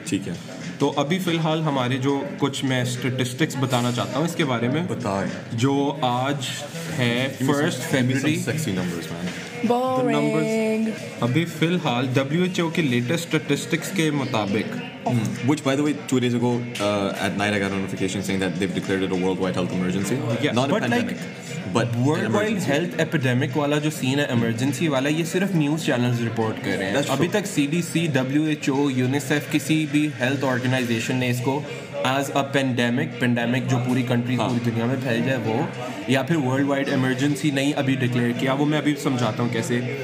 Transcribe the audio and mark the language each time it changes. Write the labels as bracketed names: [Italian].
[Hindi] ठीक है तो अभी फिलहाल हमारे जो कुछ मैं स्टैटिस्टिक्स बताना चाहता हूँ इसके बारे में बताए जो आज है 1 फरवरी अभी फिलहाल WHO के लेटेस्ट स्टैटिस्टिक्स के मुताबिक [English] Which, by the way, 2 days ago at night I got a notification saying that they've declared it a worldwide health emergency. Yeah, not a pandemic, like, but worldwide health epidemic [Hindi] वाला जो scene है emergency वाला ये सिर्फ [English] news channels report [Hindi] कर रहे हैं. अभी तक CDC, WHO, UNICEF किसी भी [English] health organization [Hindi] ने इसको [English] as a pandemic [Hindi] जो पूरी countries पूरी दुनिया में फैल जाए वो या फिर [English] worldwide emergency [Hindi] नहीं अभी declare किया वो मैं अभी समझाता हूँ कैसे.